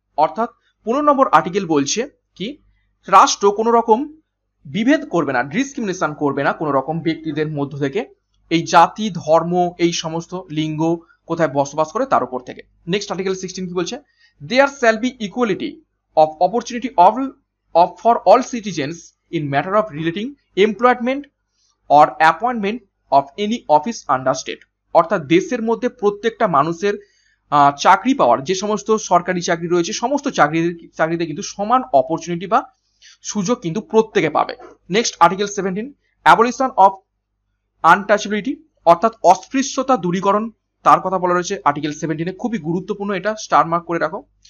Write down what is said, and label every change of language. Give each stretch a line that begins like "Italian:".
Bangla: অর্থাৎ 15 নম্বর আর্টিকেল বলছে কি, রাষ্ট্র কোনো রকম বিভেদ করবে না, ডিসক্রিমিনেশন করবে না কোনো রকম ব্যক্তিদের মধ্য থেকে, এই জাতি, ধর্ম, এই সমস্ত, লিঙ্গ, কোথায় বসবাস করে তার উপর থেকে। নেক্সট আর্টিকেল 16 কি বলছে, there shall be equality
English: of opportunity of for all citizens in matter of relating employment or appointment of any office under state.
Bangla: অর্থাৎ দেশের মধ্যে প্রত্যেকটা মানুষের চাকরি পাওয়ার যে সমস্ত সরকারি চাকরি রয়েছে সমস্ত চাকরিতে কিন্তু সমান অপরচুনিটি বা সুযোগ কিন্তু প্রত্যেকে পাবে। Next article 17 abolition of untouchability অর্থাৎ অস্পৃশ্যতা দূরীকরণ তার কথা বলা রয়েছে আর্টিকেল 17-এ, খুবই গুরুত্বপূর্ণ, এটা স্টার মার্ক করে রাখো।